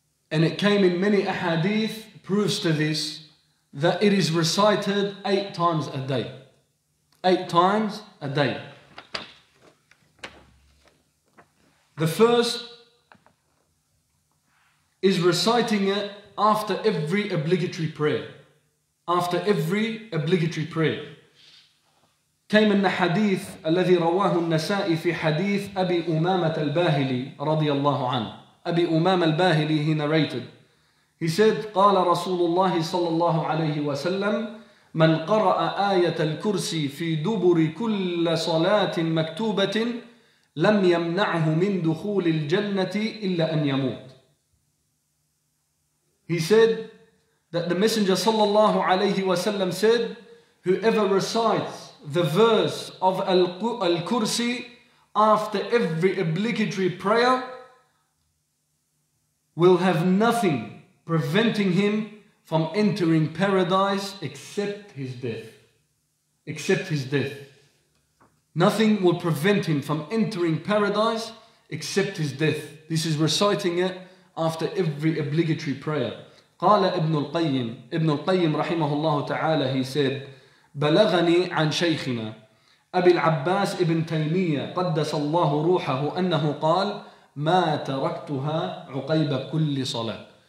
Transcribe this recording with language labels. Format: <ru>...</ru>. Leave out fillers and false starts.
<en>And it came in many ahadith, proves to this, that it is recited 8 times a day. 8 times a day. The first is reciting it after every obligatory prayer. After every obligatory prayer. Came in the hadith,</en> <ar>الذي رواه النسائي في حديث أبي أمامة الباهلي رضي الله عنه. أبي أمام الباهلي</ar> <en>he narrated. He said,</en> <ar>قال رسول الله صلى الله عليه وسلم من قرأ آية الكرسي في دبر كل صلاة مكتوبة لم يمنعه من دخول الجنة إلا أن يموت.</ar> <en>He said that the messenger</en> <ar>صلى الله عليه وسلم</ar> <en>said, whoever recites the verse of Al-Kursi after every obligatory prayer will have nothing preventing him from entering paradise except his death. Except his death. Nothing will prevent him from entering paradise except his death. This is reciting it after every obligatory prayer.</en> <ar>قال ابن القيم رحمه الله تعالى,</ar> <en>he said,</en> <ar>بلغني عن شيخنا أبي العباس ابن تيمية قدس الله روحه أنه قال ما تركتها عقيب كل صلاة.</ar>